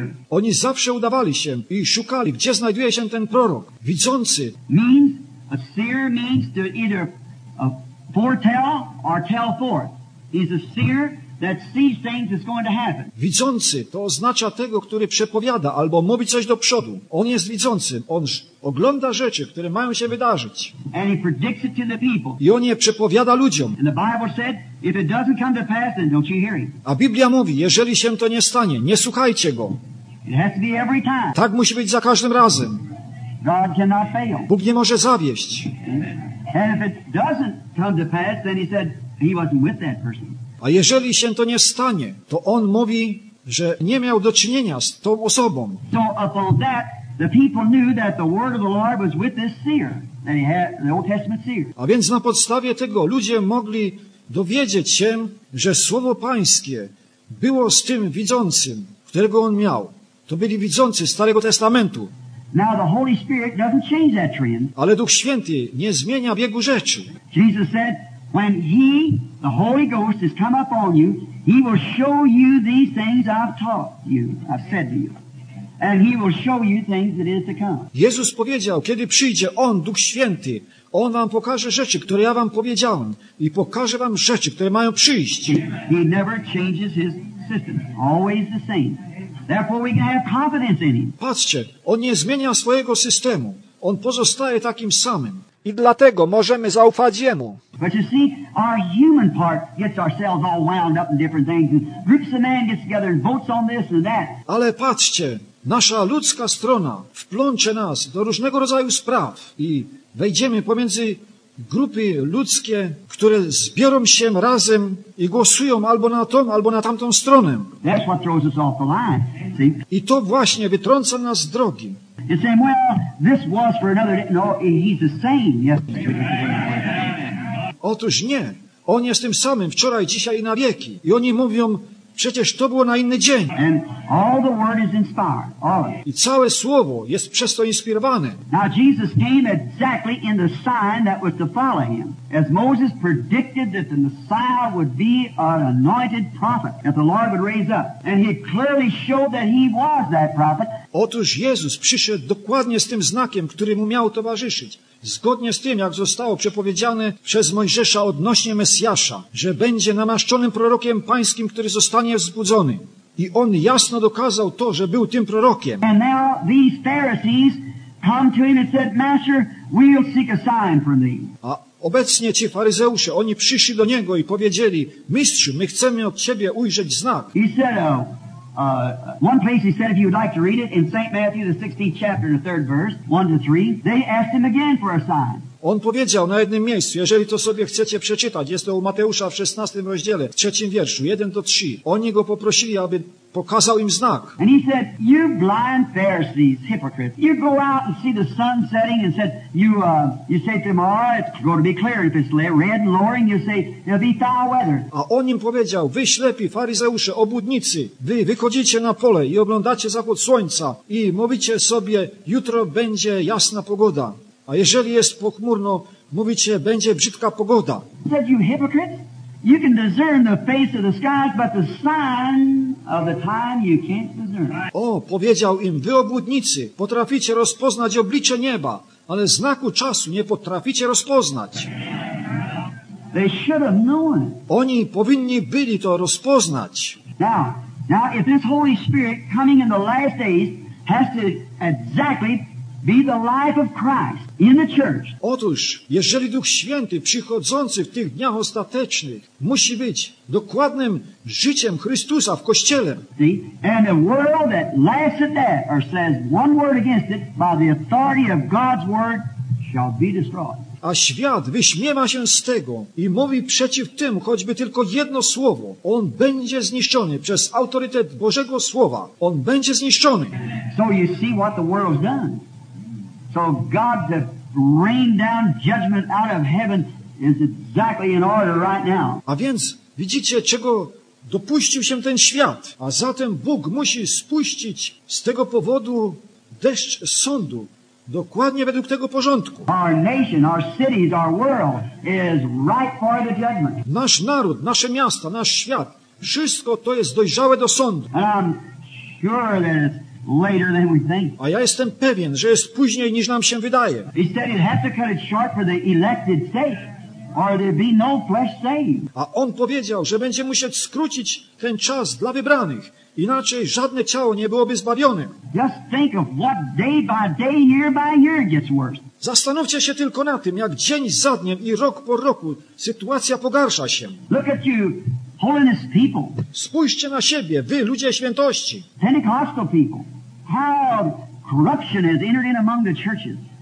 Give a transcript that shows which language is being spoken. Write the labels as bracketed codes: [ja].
[pl] Oni zawsze udawali się i szukali, gdzie znajduje się ten prorok, widzący. [en] Means to either foretell or tell forth. He's a seer that sees things is going to happen. [pl] Widzący to oznacza tego, który przepowiada albo mówi coś do przodu. On jest widzącym. On ogląda rzeczy, które mają się wydarzyć. [en] And he predicts it to the people. [pl] I on je przepowiada ludziom. [en] And the Bible said, if it doesn't come to pass, then don't you hear him. [pl] A Biblia mówi, jeżeli się to nie stanie, nie słuchajcie go. [en] It has to be every time. [pl] Tak musi być za każdym razem. [en] God cannot fail. [pl] Bóg nie może zawieść. [en] And if it doesn't come to pass, then he said he wasn't with that person. [pl] A jeżeli się to nie stanie, to on mówi, że nie miał do czynienia z tą osobą. [en] So upon that, the people knew that the word of the Lord was with this seer, that he had the Old Testament seer. [pl] A więc na podstawie tego ludzie mogli dowiedzieć się, że słowo Pańskie było z tym widzącym, którego on miał. To byli widzący Starego Testamentu. [en] Now the Holy Spirit doesn't change that trend. [pl] Ale Duch Święty nie zmienia biegu rzeczy. [en] Jesus said, when he, the Holy Ghost, has come upon you, he will show you these things I've taught you, I've said to you. And he will show you things that is to come. [pl] Jezus powiedział, kiedy przyjdzie On, Duch Święty, On wam pokaże rzeczy, które ja wam powiedziałem i pokaże wam rzeczy, które mają przyjść. [en] He never changes his system. Always the same. Therefore we can have confidence in him. [pl] Patrzcie, On nie zmienia swojego systemu. On pozostaje takim samym. I dlatego możemy zaufać Jemu. [en] But you see, our human part gets ourselves all wound up in different things and groups of man gets together and votes on this and that. [pl] Ale patrzcie, nasza ludzka strona wplącze nas do różnego rodzaju spraw i wejdziemy pomiędzy grupy ludzkie, które zbiorą się razem i głosują albo na tą, albo na tamtą stronę. [en] That's what throws us off the line, see? [pl] I to właśnie wytrąca nas z drogi. [en] And saying, well, this was for another day. No, he's the same. Yes. [pl] Otóż nie. On jest tym samym wczoraj, dzisiaj i na wieki. I oni mówią, przecież to było na inny dzień. [en] And all the word is inspired. All. [pl] I całe słowo jest przez to inspirowane. [en] Now Jesus came exactly in the sign that was to follow him. As Moses predicted that the Messiah would be an anointed prophet that the Lord would raise up. And he clearly showed that he was that prophet. [pl] Otóż Jezus przyszedł dokładnie z tym znakiem, który mu miał towarzyszyć. Zgodnie z tym, jak zostało przepowiedziane przez Mojżesza odnośnie Mesjasza, że będzie namaszczonym prorokiem pańskim, który zostanie wzbudzony. I on jasno dokazał to, że był tym prorokiem. [en] And now these Pharisees come to him and said, Master, we'll seek a sign from thee. [pl] A obecnie ci faryzeusze, oni przyszli do niego i powiedzieli, Mistrzu, my chcemy od ciebie ujrzeć znak. [en] He said, oh. One place he said, if you would like to read it, in St. Matthew, the 16th chapter, the 3rd verse, 1-3, they asked him again for a sign. [pl] On powiedział na jednym miejscu, jeżeli to sobie chcecie przeczytać, jest to u Mateusza w 16 rozdziale, w 3 wierszu, 1-3. Oni go poprosili, aby pokazał im znak. [en] And he said, you blind Pharisees, hypocrites, you go out and see the sun setting and said, you say to them, all right, it's going to be clear. If it's red and lowering, you say, it'll be foul weather. [pl] A on im powiedział, wy ślepi, faryzeusze, obłudnicy, wy wychodzicie na pole i oglądacie zachód słońca i mówicie sobie, jutro będzie jasna pogoda. A jeżeli jest pochmurno, mówicie, będzie brzydka pogoda. [en] Said you hypocrites, you can discern the face of the skies, but the sign of the time you can't discern. [pl] O, powiedział im, wy obłudnicy, potraficie rozpoznać oblicze nieba, ale znaku czasu nie potraficie rozpoznać. [en] They should have known. [pl] Oni powinni byli to rozpoznać. [en] Now if this Holy Spirit coming in the last days has to exactly be the life of Christ in the church. [pl] Otóż, jeżeli Duch Święty przychodzący w tych dniach ostatecznych musi być dokładnym życiem Chrystusa w Kościele. [en] See? And a world that laughs at that or says one word against it by the authority of God's word shall be destroyed. [pl] A świat wyśmiewa się z tego i mówi przeciw tym choćby tylko jedno słowo. On będzie zniszczony przez autorytet Bożego Słowa. On będzie zniszczony. [en] So you see what the world's done. So God to rain down judgment out of heaven is exactly in order right now. [pl] A więc widzicie, czego dopuścił się ten świat. A zatem Bóg musi spuścić z tego powodu deszcz sądu dokładnie według tego porządku. [en] Our nation, our cities, our world is ripe for the judgment. [pl] Nasz naród, nasze miasta, nasz świat, wszystko to jest dojrzałe do sądu. [en] And I'm sure that it's later than we think. [pl] A ja jestem pewien, że jest później niż nam się wydaje. [en] He said he'd have to cut it short for the elected sake. or there'd be no flesh saved. [pl] A on powiedział, że będzie musiał skrócić ten czas dla wybranych. Inaczej żadne ciało nie byłoby zbawione. [en] Just think of what day by day, year by year gets worse. [pl] Zastanówcie się tylko na tym, jak dzień za dniem i rok po roku sytuacja pogarsza się. [en] Look at you, holiness people. [pl] Spójrzcie na siebie, wy, ludzie świętości. [en] Pentecostal people. How corruption has entered in among the churches.